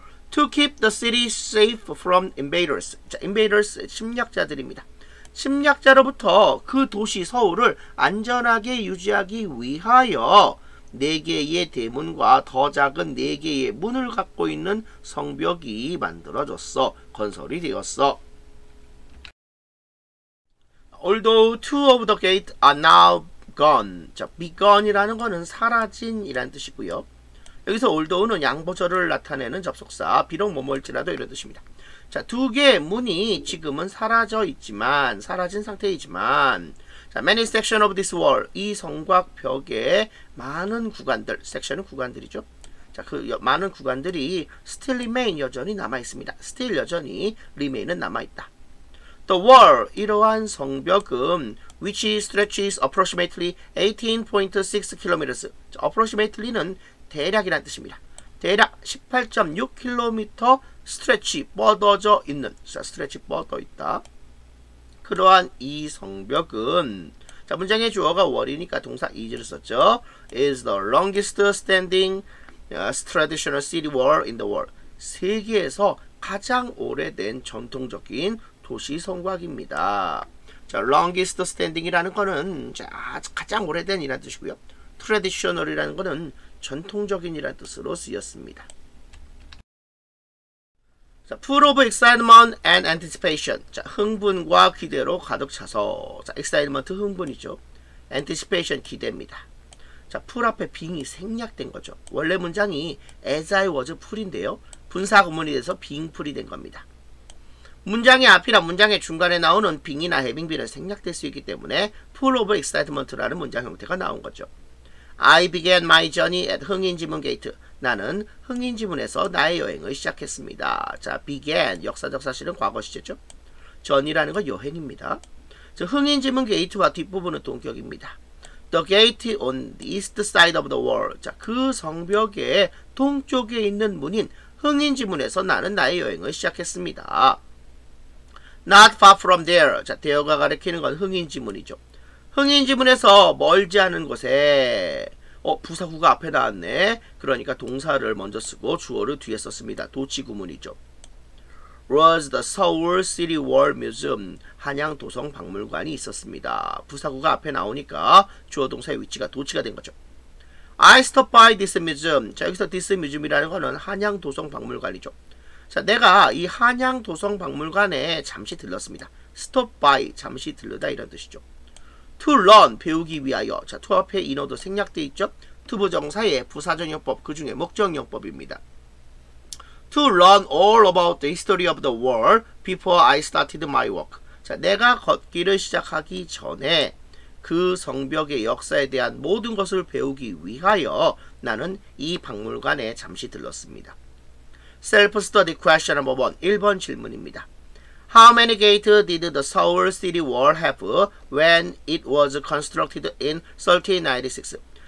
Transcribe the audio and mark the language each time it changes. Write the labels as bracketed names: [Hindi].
[English] to keep the city safe from invaders. [Korean] 자, invaders 침략자들입니다. 침략자로부터 그 도시 서울을 안전하게 유지하기 위하여 네 개의 대문과 더 작은 네 개의 문을 갖고 있는 성벽이 만들어졌어. 건설이 되었어. [English] Although two of the gates are now gone. [Korean] 자, be gone이라는 거는 사라진이란 뜻이고요. 여기서 although는 양보절을 나타내는 접속사 비록 뭐뭐일지라도 이런 뜻입니다. 자, 두 개의 문이 지금은 사라져 있지만, 사라진 상태이지만, 자, [English] many sections of this wall. [Korean] 이 성곽 벽에 많은 구간들, section은 구간들이죠. 자, 그 많은 구간들이 [English] still remain [Korean] 여전히 남아있습니다. still 여전히 remain은 남아있다. [English] The wall, [Korean] 이러한 성벽은, [English] which stretches approximately 18.6 km. [Korean] 자, approximately는 대략이란 뜻입니다. 대략 18.6km 스트레치 뻗어져 있는 자, 스트레치 뻗어 있다. 그러한 이 성벽은 자, 문장의 주어가 월이니까 동사 is를 썼죠. [English] is the longest standing traditional city wall in the world. [Korean] 세계에서 가장 오래된 전통적인 도시 성곽입니다. 자, longest standing이라는 거는 가장 오래된이라는 뜻이고요. traditional이라는 거는 전통적인이라는 뜻으로 쓰였습니다. [English] So, full of excitement and anticipation. [Korean] 자, 흥분과 기대로 가득 차서. 자, excitement 흥분이죠. anticipation 기대입니다. 자, full 앞에 being이 생략된 거죠. 원래 문장이 as I was full인데요. 분사 구문이 돼서 being full이 된 겁니다. 문장의 앞이나 문장의 중간에 나오는 being이나 having been은 생략될 수 있기 때문에 full of excitement라는 문장 형태가 나온 거죠. [English] I began my journey at 흥인지문 gate. [Korean] 나는 흥인지문에서 나의 여행을 시작했습니다. 자, began 역사적 사실은 과거시제죠. journey라는 건 여행입니다. 즉 흥인지문 게이트와 뒷부분은 동격입니다. [English] The gate on the east side of the wall. [Korean] 자, 그 성벽의 동쪽에 있는 문인 흥인지문에서 나는 나의 여행을 시작했습니다. [English] Not far from there. [Korean] 자, there가 가리키는 건 흥인지문이죠. 흥인지문에서 멀지 않은 곳에 부사구가 앞에 나왔네. 그러니까 동사를 먼저 쓰고 주어를 뒤에 썼습니다. 도치구문이죠. [English] Was the Seoul City War Museum [Korean] 한양도성 박물관이 있었습니다. 부사구가 앞에 나오니까 주어 동사의 위치가 도치가 된 거죠. [English] I stopped by this museum. [Korean] 자, 여기서 this museum이라는 거는 한양도성 박물관이죠. 자, 내가 이 한양도성 박물관에 잠시 들렀습니다. [English] Stop by [Korean] 잠시 들르다 이런 뜻이죠. [English] To learn, [Korean] 배우기 위하여. 자, to 앞에 인어도 생략되어 있죠. To 부정사의 부사정용법, 그 중에 목적용법입니다. [English] To learn all about the history of the world before I started my work. [Korean] 자, 내가 걷기를 시작하기 전에 그 성벽의 역사에 대한 모든 것을 배우기 위하여 나는 이 박물관에 잠시 들렀습니다. [English] Self-study question number 1. [Korean] 1번 질문입니다. [English] How many gates did the Seoul City Wall have when it was constructed in 1396?